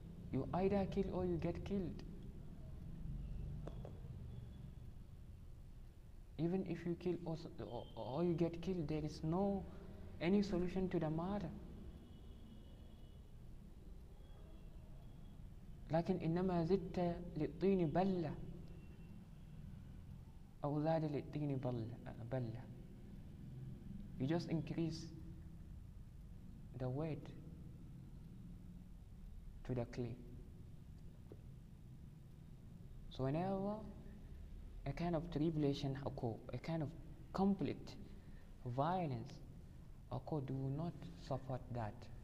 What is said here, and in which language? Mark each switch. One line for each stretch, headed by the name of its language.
English: You either kill or you get killed. Even if you kill or you get killed, there is no any solution to the matter.
Arabic: لكن إنما زدت للطين بلة أو زاد للطين بلة.
English: You just increase the weight to the clay. So whenever a kind of tribulation occur, a kind of complete violence occur, do not support that.